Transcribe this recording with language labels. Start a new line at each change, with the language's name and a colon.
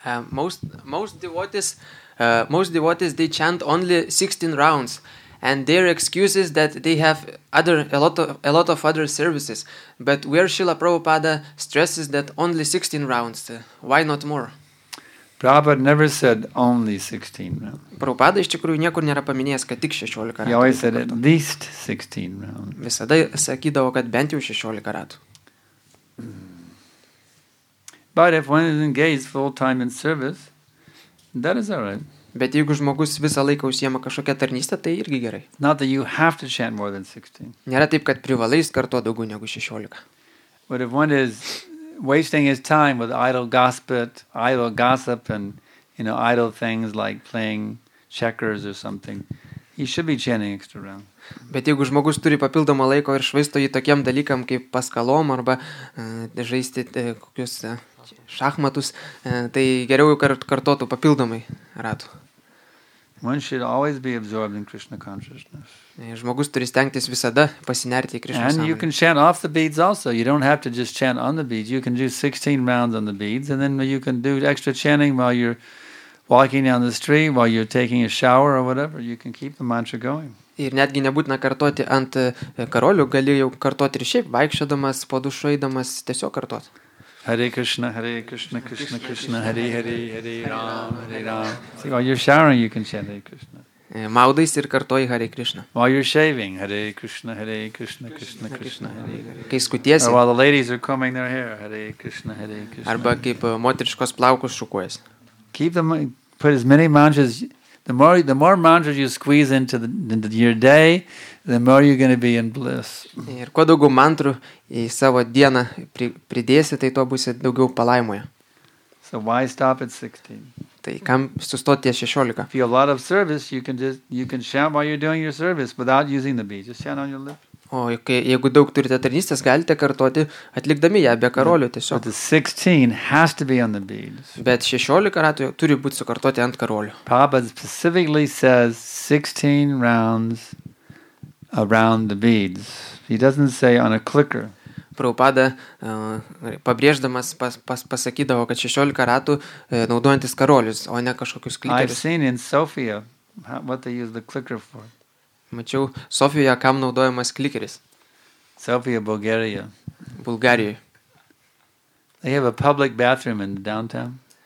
English: Most devotees they chant only 16 rounds and their excuses that they have a lot of other services. But where Srila Prabhupada stresses that only 16 rounds, why not more? Prabhupada never said only 16 rounds.
Lithuanian: Prabhupada iš tikrųjų niekur nėra paminėjęs, kad tik 16 ratų.
English: He always said at least 16 rounds.
Lithuanian: Visada sakydavo, kad bent jau 16 ratų.
English: But if one is engaged full time in service, that is all right.
Lithuanian: Bet jeigu žmogus visą laiką užsiema kažkokią tarnystę, tai irgi gerai.
English: Not that you have to chant more than 16.
Lithuanian: Nėra taip, kad privalai kartuoti daugiau negu 16.
English: But if one is wasting his time with idle gossip and, you know, idle things like playing checkers or something, he should be chanting extra round.
Lithuanian: Bet jeigu žmogus turi papildomą laiko ir švaisto jį tokiem dalykam kaip paskalom arba žaisti kokius šachmatus, tai geriau kartotų papildomai ratų.
English: One should always be absorbed in Krishna consciousness.
Lithuanian: Žmogus turi stengtis visada pasinerti į Krishna sąmonę.
English: And you can chant off the beads also. You don't have to just chant on the beads. You can do 16 rounds on the beads and then you can do extra chanting while you're walking down the street, while you're taking a shower or whatever. You can keep the mantra going.
Lithuanian: Ir netgi nebūtina kartoti ant karolių, gali jau kartoti ir šiaip vaikščiodamas, po dušu eidamas, tiesiog kartoti.
Sanskrit: Hare Krishna, Hare Krishna, Krishna Krishna, Hare Hare, Hare Ram, Hare Ram.
English: See, while you're showering, you can chant Hare Krishna.
Lithuanian: Maudais ir kartoji Hare Krishna.
English: While you're shaving, Hare Krishna, Hare Krishna, Krishna Krishna, Hare Hare.
Lithuanian: Kai skutiesi.
English: Or while the ladies are combing their hair, Hare Krishna, Hare Krishna.
Lithuanian: Arba kaip moteriškos plaukus šukuojasi.
English: Keep them, put as many mantras, the more mantras you squeeze into your day, the more you're going to be in bliss.
Lithuanian: Ir kuo daugiau mantrų į savo dieną pridėsi, tai tuo būsi daugiau palaimoje.
English: So why stop at 16?
Lithuanian: Tai kam sustoti ties 16?
English: If you have a lot of service, you can chant while you're doing your service without using the beads. Just chant on your lips.
Lithuanian: O jeigu daug turite tarnystės, galite kartuoti atlikdami ją be karolių tiesiog.
English: But the 16 has to be on the beads.
Lithuanian: Bet 16 ratų turi būti sukartoti ant karolių.
English: Prabhupada specifically says 16 rounds around the beads. He doesn't say on a clicker.
Lithuanian: Prabhupada pabrėždamas pasakydavo, kad 16 ratų naudojantis karolius, o ne kažkokius klikerius.
English: I've seen in Sofia what they use the clicker for.
Lithuanian: Mačiau Sofijoje, kam naudojamas klikeris. Sofia, Bulgarija. Bulgarijoje.
English: They have a public bathroom in the downtown.